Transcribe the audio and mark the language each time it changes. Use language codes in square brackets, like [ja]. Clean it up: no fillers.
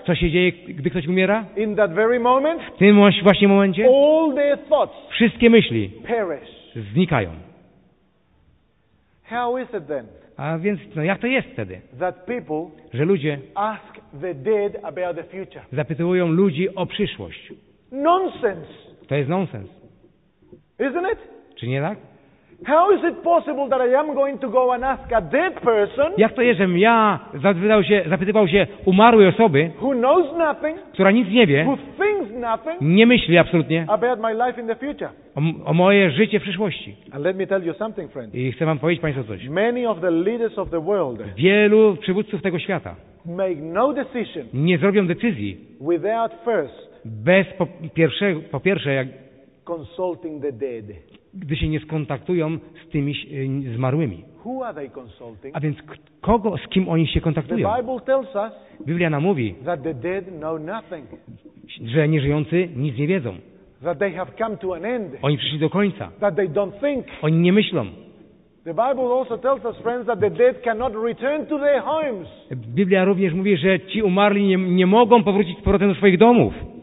[pl] Co się dzieje, gdy ktoś umiera? [en] In that very moment, [pl] w tym właśnie momencie [en] all their thoughts [pl] wszystkie myśli [en] perish. [pl] Znikają. [en] How is it then? [pl] A więc, no jak to jest wtedy? [en] That people, [pl] że ludzie [en] ask the dead about the future. [pl] Zapytują ludzi o przyszłość. [en] Nonsense. [pl] To jest nonsens. [en] Isn't it? [pl] Czy nie tak? [en] How is it possible that I am going to go and ask a dead person? [pl] Jak to jest, że ja zapytywał się umarłej osoby, [en] who knows nothing, [pl] która nic nie wie, [en] who thinks nothing, [pl] nie myśli absolutnie [en] about my life in the future. [pl] O moje życie w przyszłości. [en] And let me tell you something, friend. [pl] I chcę wam powiedzieć Państwu coś. [en] Many of the leaders of the world, [pl] wielu przywódców tego świata, [en] make no decision, [pl] nie zrobią decyzji [en] without first, [pl] bez po pierwsze jak [en] consulting the dead. [pl] Gdy się nie skontaktują z tymi zmarłymi. [en] Who are they consulting? [pl] A więc kogo, z kim oni się kontaktują? [en] The Bible tells us, [pl] Biblia nam mówi, [en] that the dead know nothing. [pl] Że nieżyjący nic nie wiedzą. [en] That they have come to an end. [pl] Oni przyszli do końca. [en] That they don't think. [pl] Oni nie myślą. [en] The Bible also tells us, friends, that the dead cannot return to their homes. [pl] Biblia również mówi, że ci umarli nie mogą powrócić z powrotem do swoich domów.